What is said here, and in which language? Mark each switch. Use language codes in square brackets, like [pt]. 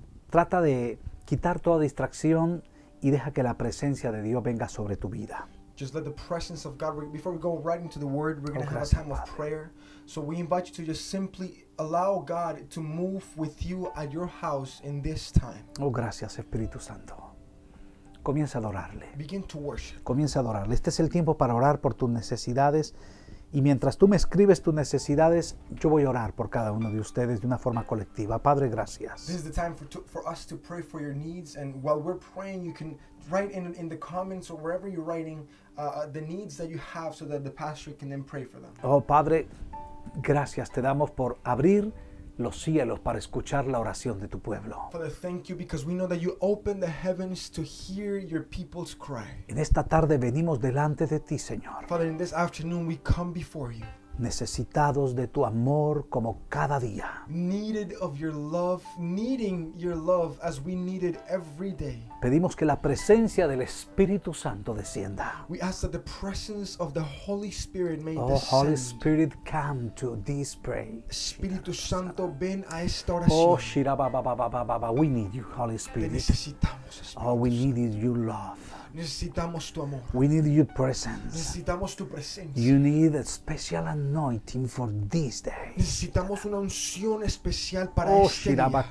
[es] Trata de quitar toda distracción y deja que la presencia de Dios venga sobre tu vida. [en] Just let the presence of God, before we go right into the word, we're going to have a time of prayer. So we invite you to just simply allow God to move with you at your house in this time. [es] Oh, gracias, Espíritu Santo. Comienza a adorarle. [en] Begin to worship. [es] Comienza a adorarle. Este es el tiempo para orar por tus necesidades. Y mientras tú me escribes tus necesidades, yo voy a orar por cada uno de ustedes de una forma colectiva. Padre, gracias. [en] This is the time for us to pray for your needs. And while we're praying, you can write in the comments or wherever you're writing the needs that you have so that the pastor can then pray for them. [es] Oh, Padre, gracias. Te damos por abrir los cielos para escuchar la oración de tu pueblo. [en] Father, thank you because we know that you open the heavens to hear your people's cry. [es] En esta tarde venimos delante de ti, Señor. [en] Father, in this afternoon we come before you. [es] Necesitados de tu amor como cada día. [en] Needed of your love, needing your love as we need it every day. [es] Pedimos que la presencia del Espíritu Santo descienda. [en] We ask that the presence of the Holy Spirit may descend. Oh, Holy Spirit, come to this prayer. [es] Espíritu Santo, ven a esta oración. [en] Oh, Shira, we need you, Holy Spirit. [es] Te necesitamos. Dios, [en] Espíritu. Oh, we need your love. [es] Necesitamos tu amor. [en] We need your presence. [es] Necesitamos tu presencia. [en] You need a special anointing for this day. [es] Necesitamos una unción especial para este día.